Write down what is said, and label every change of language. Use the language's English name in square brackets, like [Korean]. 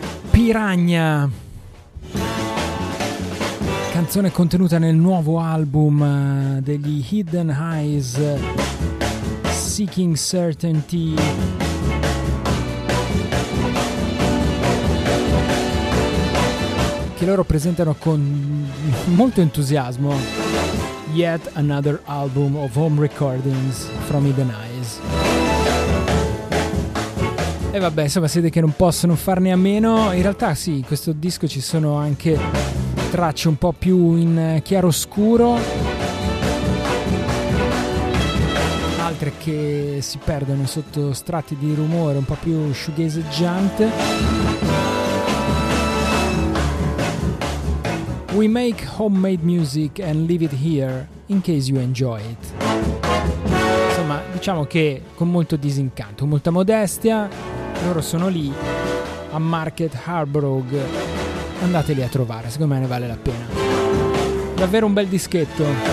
[Italian] Piranha, canzone contenuta nel nuovo album degli Hidden Eyes, Seeking Certainty. Che loro presentano con molto entusiasmo. [English] Yet another album of home recordings from Hidden Eyes. [Italian] E vabbè, insomma, siete che non possono farne a meno. In realtà sì, in questo disco ci sono anche tracce un po' più in chiaroscuro, altre che si perdono sotto strati di rumore un po' più shoegazeggiante. [English] We make homemade music and leave it here in case you enjoy it. [Italian] Insomma, diciamo che con molto disincanto, molta modestia, loro sono lì a Market Harborough. Andateli a trovare, secondo me ne vale la pena. Davvero un bel dischetto.